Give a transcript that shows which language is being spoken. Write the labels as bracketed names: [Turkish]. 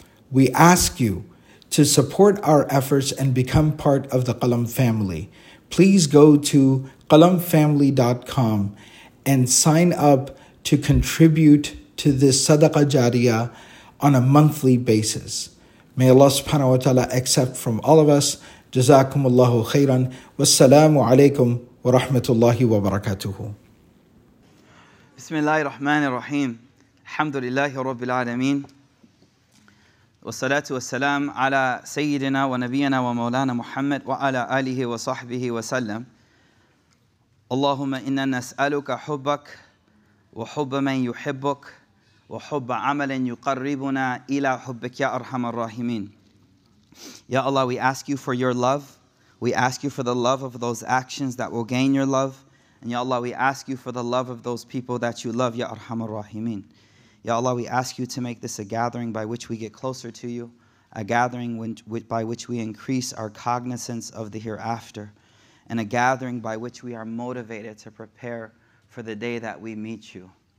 [English] We ask you to support our efforts and become part of the Qalam family. Please go to qalamfamily.com and sign up to contribute to this Sadaqah Jariyah on a monthly basis. May Allah subhanahu wa ta'ala accept from all of us. [Arabic] جزاكم الله خيرا والسلام عليكم ورحمة الله وبركاته. بسم الله الرحمن الرحيم الحمد لله رب العالمين والصلاة والسلام على سيدنا ونبينا ومولانا محمد وعلى آله وصحبه وسلم. اللهم إنا نسألك حبك وحب من يحبك وحب عمل يقربنا إلى حبك يا أرحم الراحمين. [English] Ya Allah, we ask you for your love. We ask you for the love of those actions that will gain your love. And Ya Allah, we ask you for the love of those people that you love, Ya Arhamar Rahimin. Ya Allah, we ask you to make this a gathering by which we get closer to you, a gathering by which we increase our cognizance of the hereafter, and a gathering by which we are motivated to prepare for the day that we meet you.